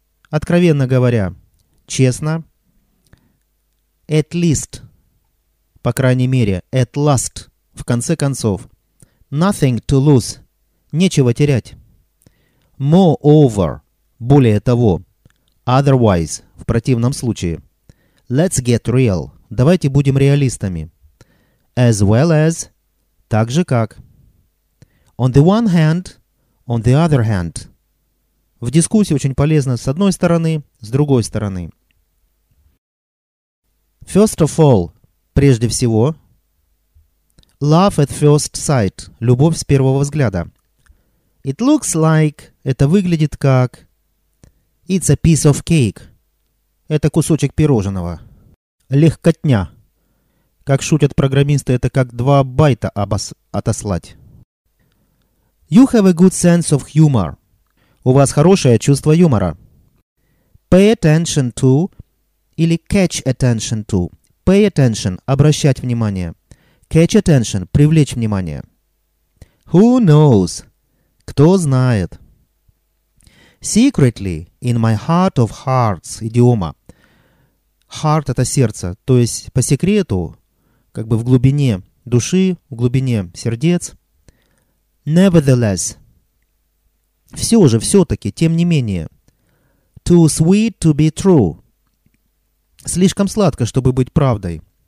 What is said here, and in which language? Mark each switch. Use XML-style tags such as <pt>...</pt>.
<ru>«Откровенно говоря», «честно».</ru> <en>«At least»,</en> <ru>«по крайней мере»,</ru> <en>«at last»,</en> <ru>«в конце концов».</ru> <en>«Nothing to lose»,</en> <ru>«нечего терять».</ru> <en>«Moreover»,</en> <ru>«более того».</ru> <en>«Otherwise»,</en> <ru>«в противном случае».</ru> <en>«Let's get real»,</en> <ru>«давайте будем реалистами».</ru> <en>«As well as»,</en> <ru>«так же как».</ru> <en>«On the one hand», «on the other hand».</en> <ru>В дискуссии очень полезно с одной стороны, с другой стороны.</ru> <en>«First of all»,</en> <ru>«прежде всего».</ru> <en>«Love at first sight»,</en> <ru>«любовь с первого взгляда».</ru> <en>«It looks like»,</en> <ru>«это выглядит как».</ru> <en>«It's a piece of cake»,</en> <ru>«это кусочек пирожного». «Легкотня», «как шутят программисты, это как 2 байта отослать».</ru> <en>«You have a good sense of humor».</en> <ru>«У вас хорошее чувство юмора».</ru> <en>«Pay attention to» или «catch attention to». «Pay attention»</en> <ru>– обращать внимание.</ru> <en>«Catch attention»</en> <ru>– привлечь внимание.</ru> <en>«Who knows»</en> <ru>– кто знает.</ru> <en>«Secretly» – in my heart of hearts» – идиома.</en> <ru>«Heart» – это сердце, то есть по секрету, как бы в глубине души, в глубине сердец. «Nevertheless» – все же, все-таки, тем не менее.</ru> <en>«Too sweet to be true»</en> <ru>– слишком сладко, чтобы быть правдой.</ru>